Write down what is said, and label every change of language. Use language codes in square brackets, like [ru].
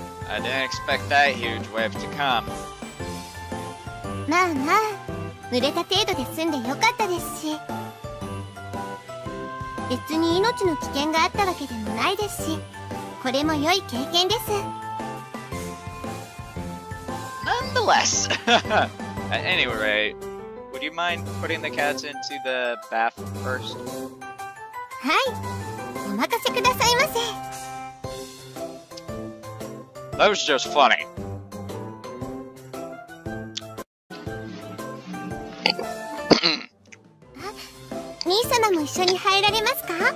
[en] I didn't expect that huge wave to come. [ja] まあまあ、濡れた程度で済んでよかったですし、別に命の危険があったわけでもないですし、これも良い経験です。 [en] Nonetheless! At any rate, would you mind putting the cats into the bath first? [ja] はい、お任せくださいませ。 [en] That was just funny. [ja] あ、兄様も一緒に入られますか？